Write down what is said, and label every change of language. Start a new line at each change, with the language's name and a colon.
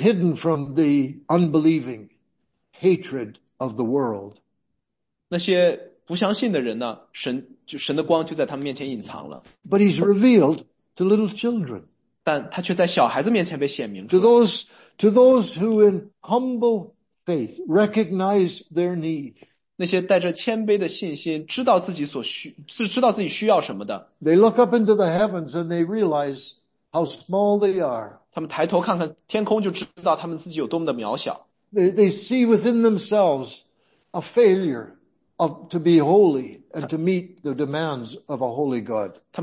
English: He was hidden from the unbelieving hatred of the world.
Chinese: 那些不相信的人呢，神的光就在他们面前隐藏了。
English: But he's revealed to little children.
Chinese: 但他却在小孩子面前被显明出来。
English: To those who in humble faith recognize their need.
Chinese: 那些带着谦卑的信心，知道自己需要什么的。
English: They look up into the heavens and they realize how small they are.
Chinese: 他们抬头看看天空，就知道他们自己有多么的渺小。
English: They see within themselves a failure of to be holy and to meet the demands of a holy God.